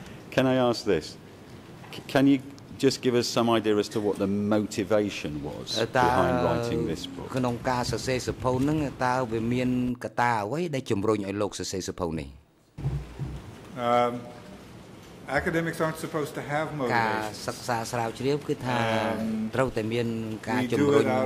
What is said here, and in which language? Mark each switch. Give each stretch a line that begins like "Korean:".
English: Can I ask this? Can you just give us some idea as to what the motivation was behind writing this book?
Khmer: ក្នុងការសរសេរសៀវភៅហ្នឹងតើវាមានកត្តាអ្វីដែលជំរុញឲ្យលោកសរសេរសៀវភៅនេះ
English: Academics aren't supposed to have motivation.
Khmer: ការសិក្សាស្រាវជ្រាវគឺថាត្រូវតែមានការជំរុញ